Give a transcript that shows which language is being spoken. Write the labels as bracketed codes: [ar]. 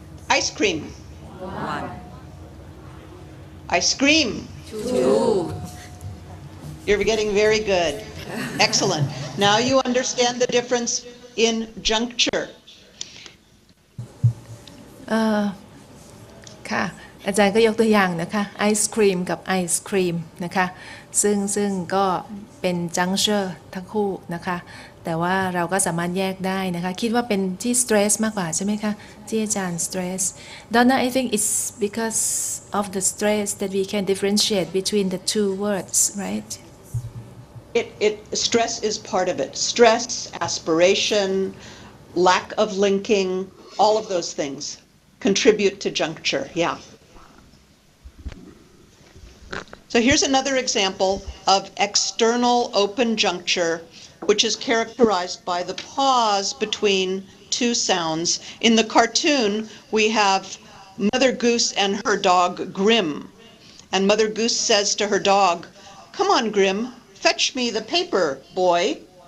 [en] Ice cream. One. Ice cream. Two. You're getting very good. Excellent. Now you understand the difference in juncture. [th] ค่ะอาจารย์ก็ยกตัวอย่างนะคะไอศครีมกับไอศครีมนะคะซึ่งก็เป็นจังเชอร์ทั้งคู่นะคะแต่ว่าเราก็สามารถแยกได้นะคะคิดว่าเป็นที่สเตรสมากกว่าใช่ไหมคะที่อาจารย์สเตรส [en] Donna I think it's because of the stress that we can differentiate between the two words right it stress is part of it stress aspiration lack of linking all of those things contribute to juncture yeah so here's another example of external open juncture which is characterized by the pause between two sounds in the cartoon we have mother goose and her dog grim and mother goose says to her dog come on grim fetch me the paper boy